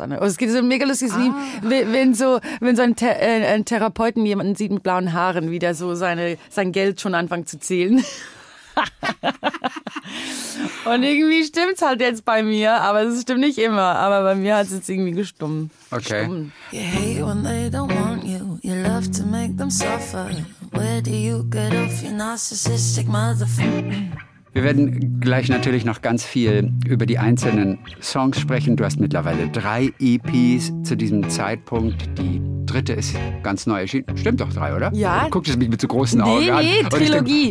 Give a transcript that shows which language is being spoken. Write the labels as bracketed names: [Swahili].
[German] Oh, es gibt so ein mega lustiges Meme, wenn ein Therapeuten jemanden sieht mit blauen Haaren, wie der so sein Geld schon anfängt zu zählen. Und irgendwie stimmt es halt jetzt bei mir, aber es stimmt nicht immer. Aber bei mir hat es jetzt irgendwie gestummt. Okay. [English] You hate when they don't want you. You love to make them suffer. Where do you get off, you narcissistic motherfucker? [German] Wir werden gleich natürlich noch ganz viel über die einzelnen Songs sprechen. Du hast mittlerweile 3 EPs zu diesem Zeitpunkt. Die dritte ist ganz neu erschienen. Stimmt doch, 3, oder? Ja. Du guckst es mich mit so großen Augen an. Nee, Trilogie.